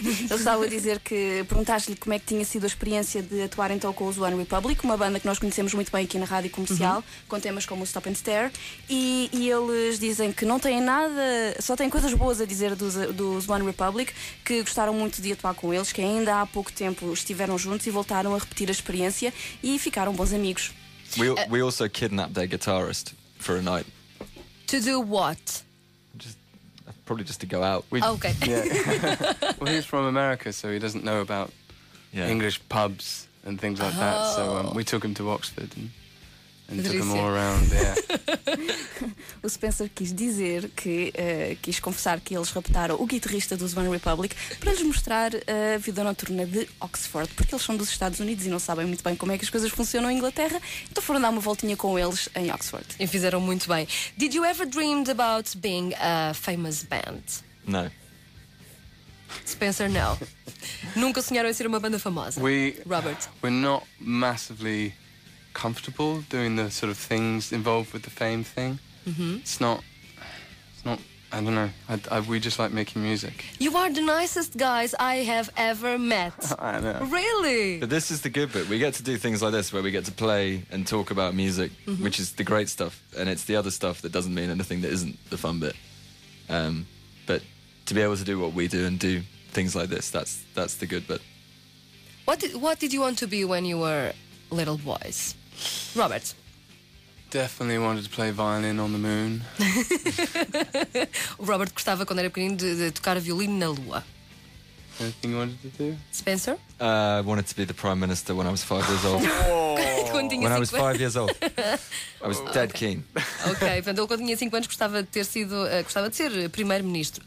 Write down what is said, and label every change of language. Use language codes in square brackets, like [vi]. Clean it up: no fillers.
[pt] Eu só vou dizer que perguntaste-lhe como é que tinha sido a experiência de atuar então com os One Republic, uma banda que nós conhecemos muito bem aqui na Rádio Comercial, com temas como o Stop and Stare, e eles dizem que não têm nada, só têm coisas boas a dizer dos One Republic, que gostaram muito de atuar com eles, que ainda há pouco tempo estiveram juntos e voltaram a repetir a experiência e ficaram bons amigos. [en] We also kidnapped their guitarist for a night. To do what? Probably just to go out. Well, he's from America, so he doesn't know about English pubs and things like that. So we took him to Oxford and took him all around. Yeah. [pt] O Spencer quis dizer que quis confessar que eles raptaram o guitarrista dos One Republic para lhes mostrar a vida noturna de Oxford, porque eles são dos Estados Unidos e não sabem muito bem como é que as coisas funcionam em Inglaterra. Então foram dar uma voltinha com eles em Oxford. E fizeram muito bem. [en] Did you ever dream about being a famous band? No. [pt] Spencer, no. Nunca sonharam em ser uma banda famosa. [en] We're not massively comfortable doing the sort of things involved with the fame thing. We just like making music. You are the nicest guys I have ever met. I know. Really? But this is the good bit. We get to do things like this where we get to play and talk about music, which is the great stuff, and it's the other stuff that doesn't mean anything that isn't the fun bit. But to be able to do what we do and do things like this, that's the good bit. What did you want to be when you were little boys? Robert. Definitely wanted to play violin on the moon. [pt] O Robert gostava quando era pequenino de tocar violino na lua. [en] Anything you wanted to do? Spencer? I wanted to be the Prime Minister when I was 5 years old. When I was 5 years old. I was dead keen. [pt] Okay, quando eu tinha 5 anos gostava de ser Primeiro-Ministro.